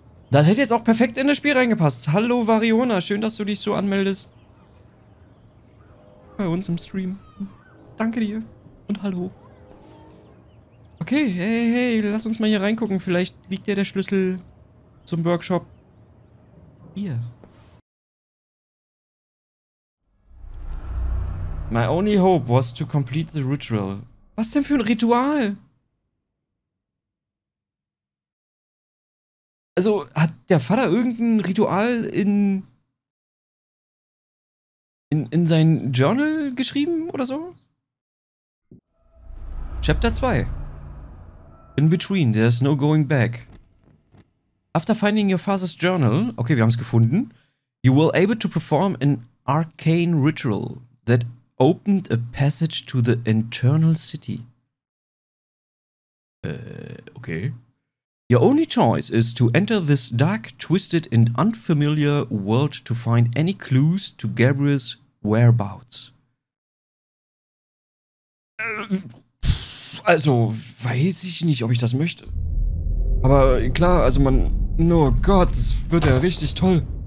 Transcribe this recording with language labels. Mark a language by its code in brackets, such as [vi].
[de] Das hätte jetzt auch perfekt in das Spiel reingepasst. Hallo Variona, schön, dass du dich so anmeldest. Bei uns im Stream. Danke dir. Und hallo. Okay, hey, hey, lass uns mal hier reingucken. Vielleicht liegt dir der Schlüssel zum Workshop hier. [en] My only hope was to complete the ritual. [de] Was denn für ein Ritual? Also, hat der Vater irgendein Ritual in sein Journal geschrieben oder so? [en] Chapter 2. In between, there's no going back. After finding your father's journal, okay, [de] wir haben es gefunden, [en] you will able to perform an arcane ritual that opened a passage to the internal city. Okay. Your only choice is to enter this dark, twisted and unfamiliar world to find any clues to Gabriel's whereabouts. [de] Also, weiß ich nicht, ob ich das möchte. Aber klar, also man... Oh Gott, das wird ja richtig toll.